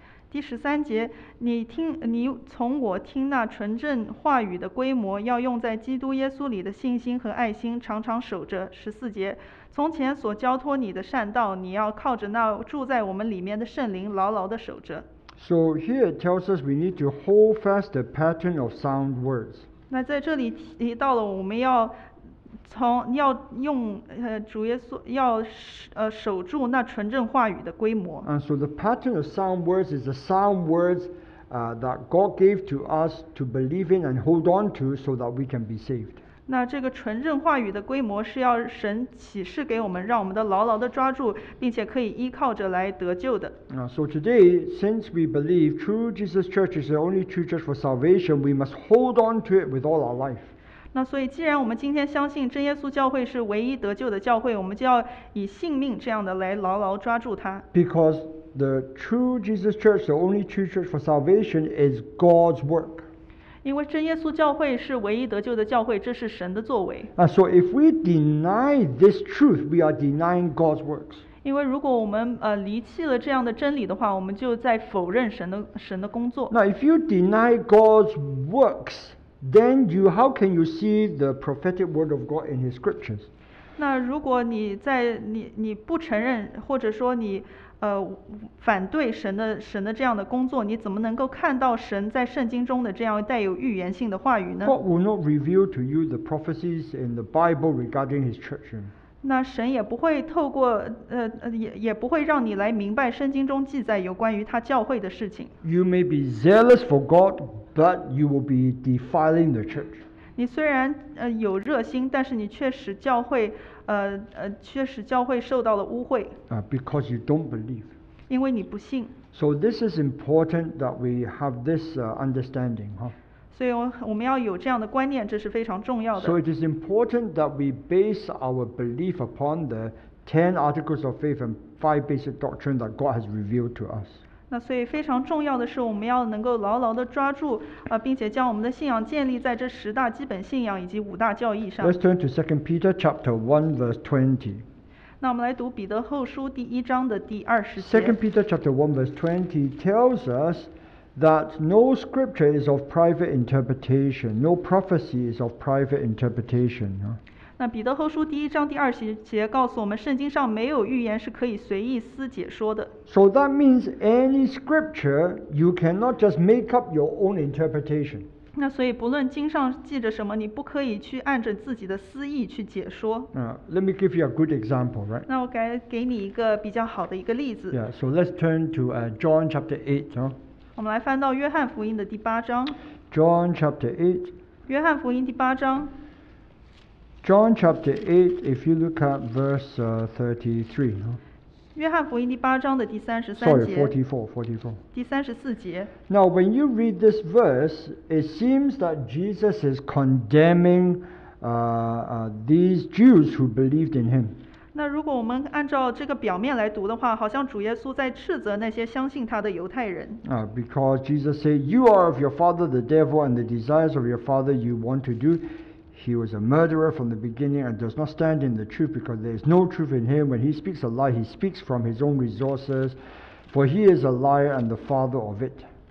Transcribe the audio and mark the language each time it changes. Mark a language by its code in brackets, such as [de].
[zh] 第十三节，你从我听那纯正话语的规模，要用在基督耶稣里的信心和爱心，常常守着。十四节。从前所交托你的善道，你要靠着那住在我们里面的圣灵，牢牢的守着。 [en] So here it tells us we need to hold fast the pattern of sound words. [zh] 那在这里提到了我们要从要用主耶稣要守住那纯正话语的规模。 [en] And so the pattern of sound words is the sound words that God gave to us to believe in and hold on to so that we can be saved. [zh] 那这个纯正话语的规模是要神启示给我们，让我们的牢牢的抓住，并且可以依靠着来得救的。 [en] So today, since we believe true Jesus Church is the only true church for salvation, we must hold on to it with all our life. [zh] 那所以，既然我们今天相信真耶稣教会是唯一得救的教会，我们就要以性命这样的来牢牢抓住它。 [en] Because the true Jesus Church, the only true church for salvation, is God's work. [zh] 因为真耶稣教会是唯一得救的教会，这是神的作为。 [en] So if we deny this truth, we are denying God's works. [zh] 因为如果我们离弃了这样的真理的话，我们就在否认神的工作。 [en] Now if you deny God's works, then how can you see the prophetic word of God in His scriptures? [zh] 那如果你不承认，或者说你反对神的这样的工作，你怎么能够看到神在圣经中的这样带有预言性的话语呢？ [en] God will not reveal to you the prophecies in the Bible regarding His church. [zh] 那神也不会透过也不会让你来明白圣经中记载有关于他教会的事情。 [en] You may be zealous for God, but you will be defiling the church. [zh] 你虽然有热心，但是你确实教会。确实教会受到了污秽。 [en] Because you don't believe. [zh] 因为你不信。 [en] So this is important that we have this understanding, huh? [zh] 所以我们要有这样的观念，这是非常重要的。 [en] So it is important that we base our belief upon the 10 articles of faith and 5 basic doctrine that God has revealed to us. [zh] 那所以非常重要的是我们要能够牢牢地抓住并且将我们的信仰建立在这十大基本信仰以及五大教义上。 [en] Let's turn to 2 Peter chapter 1 verse 20. [zh] 那我们来读彼得后书第一章的第二十节。 [en] 2 Peter chapter 1 verse 20 tells us that no scripture is of private interpretation, no prophecy is of private interpretation. [zh] 那彼得后书第一章第二十节告诉我们，圣经上没有预言是可以随意思解说的。 [en] So that means any scripture, you cannot just make up your own interpretation. [zh] 那所以不论经上记着什么，你不可以去按着自己的私意去解说。 [en] Let me give you a good example, right? [zh] 那我给你一个比较好的一个例子。 [en] Yeah, so let's turn to John chapter 8. [zh] 我们来翻到约翰福音的第八章。 [en] John chapter 8. [zh] 约翰福音第八章。 [en] John chapter 8, if you look at verse 33. [zh] 约翰福音第八章的第三十三节。 [en] Sorry, 44. [zh] 第三十四节。 [en] Now, when you read this verse, it seems that Jesus is condemning these Jews who believed in him. [zh] 那如果我们按照这个表面来读的话，好像主耶稣在斥责那些相信他的犹太人。 [en] Because Jesus said, you are of your father the devil, and the desires of your father you want to do. He was a murderer from the beginning and does not stand in the truth because there is no truth in him. When he speaks a lie, he speaks from his own resources, for he is a liar and the father of it.